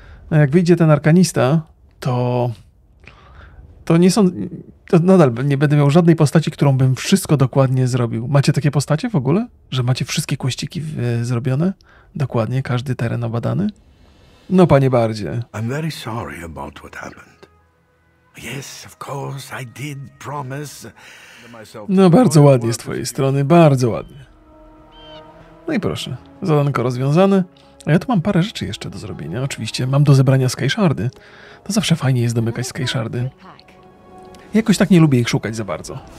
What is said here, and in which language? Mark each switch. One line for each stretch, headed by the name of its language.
Polish: No jak wyjdzie ten arkanista, to nie są... To nadal nie będę miał żadnej postaci, którą bym wszystko dokładnie zrobił. Macie takie postacie w ogóle? Że macie wszystkie kłościki zrobione? Dokładnie, każdy teren obadany? No, panie Bardzie.
English: I'm very sorry about what happened. Yes, of course, I did promise...
Polish: No, bardzo ładnie z twojej strony, bardzo ładnie. No i proszę, zadanko rozwiązane. A ja tu mam parę rzeczy jeszcze do zrobienia. Oczywiście mam do zebrania skyshardy. To zawsze fajnie jest domykać skyshardy. Jakoś tak nie lubię ich szukać za bardzo.